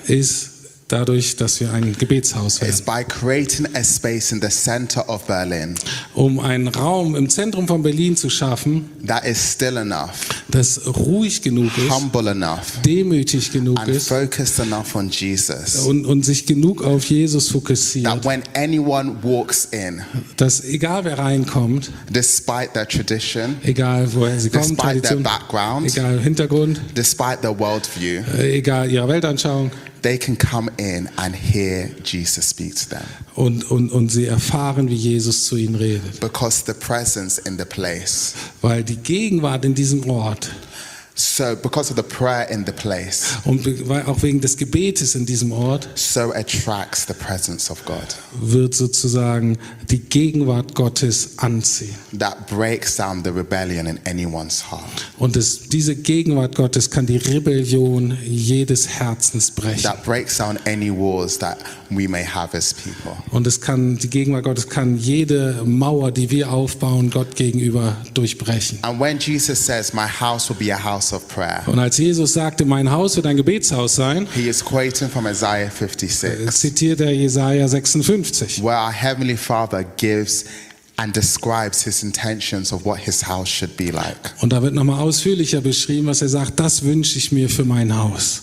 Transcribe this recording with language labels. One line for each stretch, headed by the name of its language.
German: Ist dadurch, dass wir ein Gebetshaus werden.
English: It's by creating a space in the center of Berlin.
German: Um einen Raum im Zentrum von Berlin zu schaffen,
English: that is still enough,
German: das ruhig genug ist,
English: humble enough,
German: demütig genug
English: and
German: ist,
English: focused enough on Jesus,
German: und sich genug auf Jesus fokussiert,
English: that when anyone walks in,
German: dass egal wer reinkommt,
English: despite their tradition,
German: egal woher sie kommen,
English: despite
German: Tradition,
English: their background,
German: egal Hintergrund,
English: despite their worldview,
German: egal ihrer Weltanschauung,
English: they can come in and hear Jesus speak to them.
German: Und sie erfahren, wie Jesus zu ihnen redet.
English: Because the presence in the place.
German: Weil die Gegenwart in diesem Ort.
English: So because of the prayer in the place.
German: Und weil auch wegen des Gebetes in diesem Ort.
English: So attracts the presence of God.
German: Wird sozusagen die Gegenwart Gottes anziehen.
English: That breaks down the rebellion in anyone's heart.
German: Und diese Gegenwart Gottes kann die Rebellion jedes Herzens brechen.
English: That breaks down any walls that we may have as people.
German: Und es kann die Gegenwart Gottes kann jede Mauer, die wir aufbauen, Gott gegenüber durchbrechen.
English: And when Jesus says, "My house will be a house." Of prayer.
German: Und als Jesus sagte, mein Haus wird ein Gebetshaus sein,
English: he is quoting from Isaiah 56,
German: zitiert er Jesaja 56,
English: where our Heavenly Father gives and describes his intentions of what his house should be like.
German: Und da wird nochmal ausführlicher beschrieben, was er sagt, das wünsche ich mir für mein Haus.